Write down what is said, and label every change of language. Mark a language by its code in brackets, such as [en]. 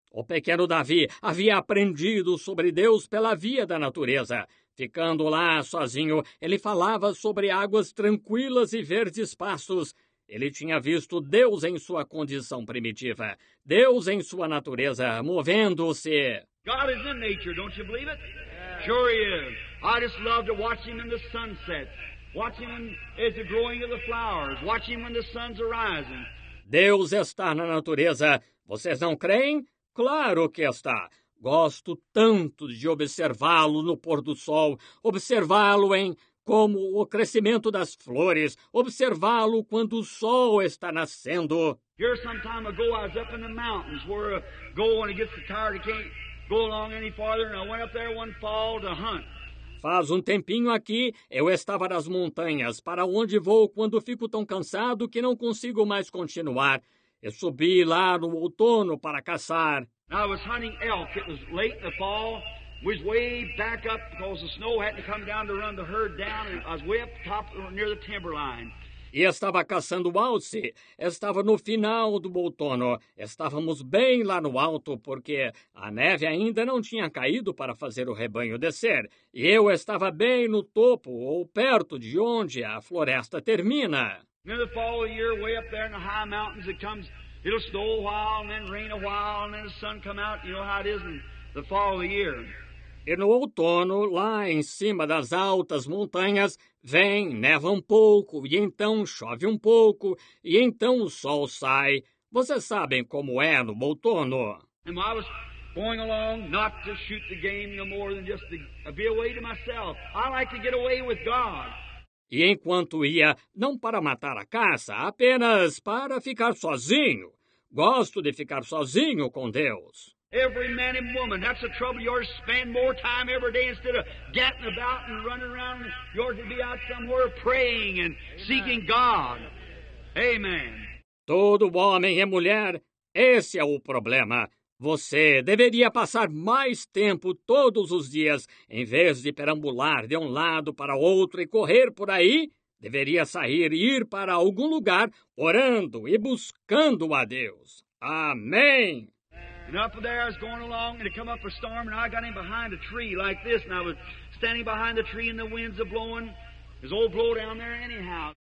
[pt] O pequeno Davi havia aprendido sobre Deus pela via da natureza. Ficando lá sozinho, ele falava sobre águas tranquilas e verdes pastos. Ele tinha visto Deus em sua condição primitiva, Deus em sua natureza, movendo-se. [en] God is in nature, don't you believe it? Sure he is. I just love to watch him in the sunset, watch him as the growing of the flowers, watch him when the sun's arising. [pt] Deus está na natureza. Vocês não creem? Claro que está. Gosto tanto de observá-lo no pôr do sol, observá-lo em como o crescimento das flores, observá-lo quando o sol está nascendo. [en] Here some time ago I was up in the mountains where going gets tired, I can't go along any farther, and I went up there one fall to hunt. [pt] Faz um tempinho aqui, eu estava nas montanhas, para onde vou quando fico tão cansado que não consigo mais continuar. Eu subi lá no outono para caçar. [en] I was hunting elk. It was late in the fall. We was way back up because the snow hadn't come down to run the herd down. I was way up top near the timberline. [pt] e estava caçando o alce. Estava no final do outono. Estávamos bem lá no alto, porque a neve ainda não tinha caído para fazer o rebanho descer. E eu estava bem no topo, ou perto de onde a floresta termina. [en] In the fall of the year, way up there in the high mountains, it comes, it'll snow a while, and then rain a while, and then the sun come out. You know how it is in the fall of the year. [pt] E no outono, lá em cima das altas montanhas, vem, neva um pouco, e então chove um pouco, e então o sol sai. Vocês sabem como é no outono. [en] And I was going along not to shoot the game no more than just to be away to myself. I like to get away with God. [pt] E enquanto ia, não para matar a caça, apenas para ficar sozinho. Gosto de ficar sozinho com Deus. [en] Every man and woman, that's the trouble. You're spend more time every day instead of getting about and running around. You're to be out somewhere praying and seeking God. Amen. [pt] Todo homem e mulher, esse é o problema. Você deveria passar mais tempo todos os dias, em vez de perambular de um lado para outro e correr por aí, deveria sair e ir para algum lugar, orando e buscando a Deus. Amém! [en] And up there I was going along and it come up a storm and I got in behind a tree like this and I was standing behind the tree and the winds are blowing. There's old blow down there anyhow.